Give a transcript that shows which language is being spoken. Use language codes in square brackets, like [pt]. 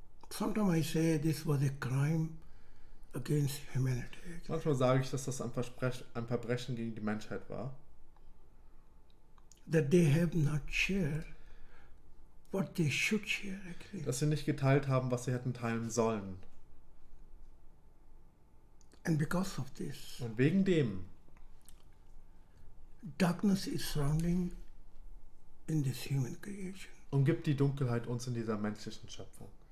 [en] Sometimes I say this was a crime against humanity. [de] Manchmal sage ich, dass das ein Verbrechen gegen die Menschheit war. [en] That they have not shared what they should share, actually. [de] Dass sie nicht geteilt haben, was sie hätten teilen sollen. [en] And because of this, [de] und wegen dem, [en] darkness is surrounding in this human creation. [de] Umgibt die Dunkelheit uns in dieser menschlichen Schöpfung.